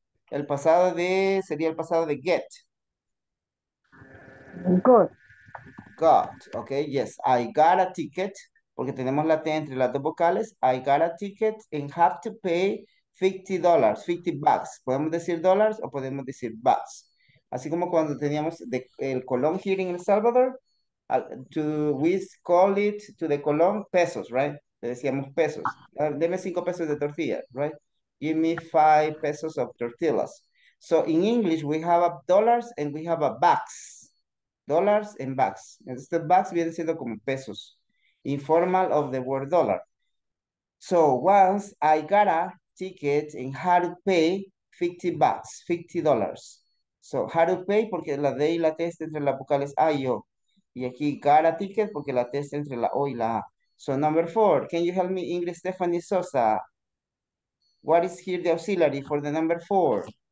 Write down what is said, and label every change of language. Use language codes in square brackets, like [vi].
[es] El pasado de, sería el pasado de get. [en] Good. Got. Okay, yes. I got a ticket. [es] Porque tenemos la T entre las dos vocales. [en] I got a ticket and have to pay $50, $50. [es] ¿Podemos decir dólares o podemos decir bucks? Así como cuando teníamos el colón [en] here in El Salvador, we call it to the colón pesos, right? [es] Le decíamos pesos. Deme 5 pesos de tortilla, [en] right? Give me 5 pesos of tortillas. So in English, we have a dollars and we have a bucks. Dollars and bucks. [es] Entonces, bucks viene siendo como pesos. [en] Informal of the word dollar. So once I got a ticket and how to pay $50, $50. So how to pay, [es] porque la D y la T está entre las vocales A y O. Y aquí [en] got a ticket [es] porque la T está entre la O y la A. [en] So number four, can you help me, English Stephanie Sosa? What is here the auxiliary for the number four?